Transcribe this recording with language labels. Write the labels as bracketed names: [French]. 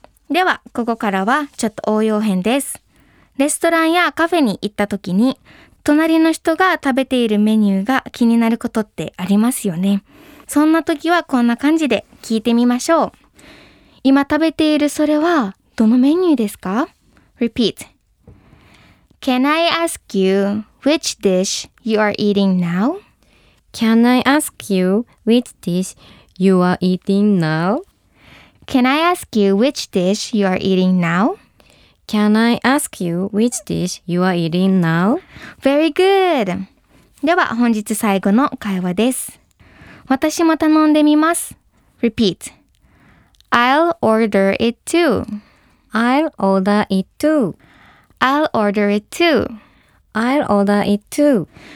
[Japanese] では、ここからはちょっと応用編です。レストランやカフェに行った時に、隣の人が食べているメニューが気になることってありますよね。そんな時はこんな感じで聞いてみましょう。今食べているそれはどのメニューですか? [English] Repeat. Can I ask you which dish you are eating now? Can I ask you which dish you are eating now? Can I ask you which dish you are eating now? Can I ask you which dish you are eating now? Very good! [Japanese] では本日最後の会話です。私も頼んでみます。Repeat. [English] I'll order it too. I'll order it too. I'll order it too. I'll order it too.